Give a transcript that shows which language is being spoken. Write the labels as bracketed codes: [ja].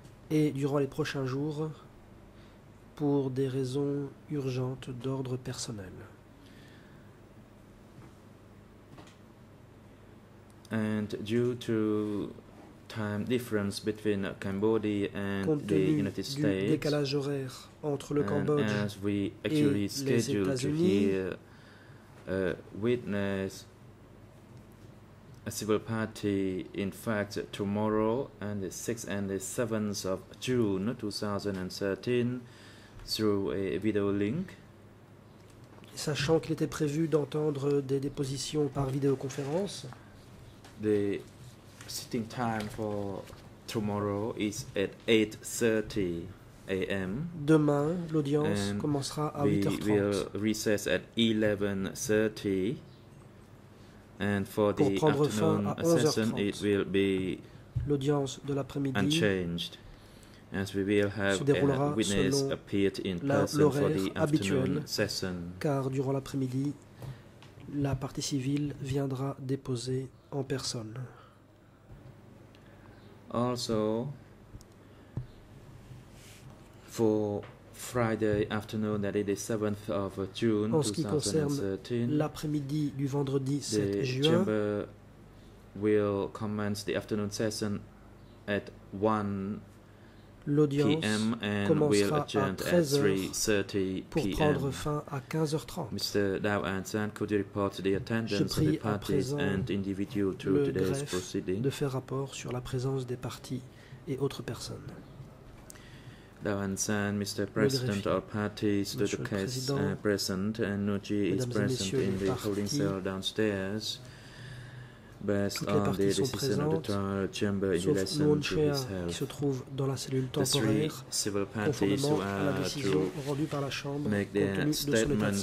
[fr] Et durant les prochains jours, pour des raisons urgentes d'ordre personnel. [en] And due to time difference between Cambodia and the United States, [fr] du décalage horaire entre le Cambodge [en] and as we actually scheduled to hear a witness, a civil party, in fact, tomorrow on the 6th and the 7th of June 2013, through a video link. [fr] Sachant qu'il était prévu d'entendre des dépositions par vidéoconférence, [en] the sitting time for tomorrow is at 8:30 a.m. [fr] Demain, l'audience commencera à 8h30. [en] We will recess at 11:30. And for the afternoon session, it will be [fr] l'audience de l'après-midi [en] unchanged, as we will have a witness appeared in person for the [fr] habituel, [en] afternoon session. [fr] Car durant l'après-midi, la partie civile viendra déposer en personne. [en] Also, for Friday afternoon, that is the 7th of June 2013, [fr] l'après-midi du vendredi 7 [en] the [fr] juin, [en] chamber will commence the afternoon session at 1 [fr] l'audience [en] p.m. and will adjourn at 3:30 p.m. [fr] pour prendre fin à 15h30. [en] Mr. Dao Anson, could you report the attendance of the parties and individual to today's proceeding? [fr] De faire rapport sur la présence des parties et autres personnes. [en] Dao Anson, Mr. President, all parties to the case are present, and Nuji is present in the holding cell downstairs. Based on the decision of the trial chamber in relation to his health, the three civil parties who are to make their statements